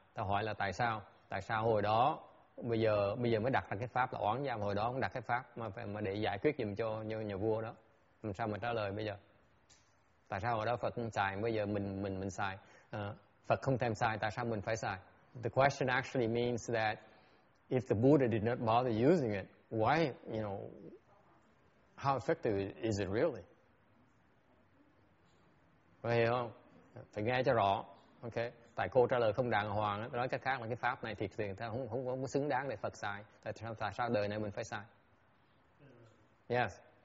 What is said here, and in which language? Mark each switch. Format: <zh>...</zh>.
<vi>Ta hỏi là tại sao hồi đó bây giờ mới đặt ra cái pháp là oán giam, hồi đó không đặt cái pháp mà để giải quyết giùm cho nhà vua đó. Làm sao mà trả lời bây giờ? Tại sao hồi đó Phật không xài, bây giờ mình xài? Phật không thèm xài, tại sao mình phải xài?</vi> <en>The question actually means that if the Buddha did not bother using it, why, how effective is it really?</en> <vi>Phải hiểu không? Phải nghe cho rõ. Okay. Tại cô trả lời không đàng hoàng, nói cách khác là cái pháp này thiệt tiền, không xứng đáng để Phật xài. Tại sao đời này mình phải xài? Yes.</vi>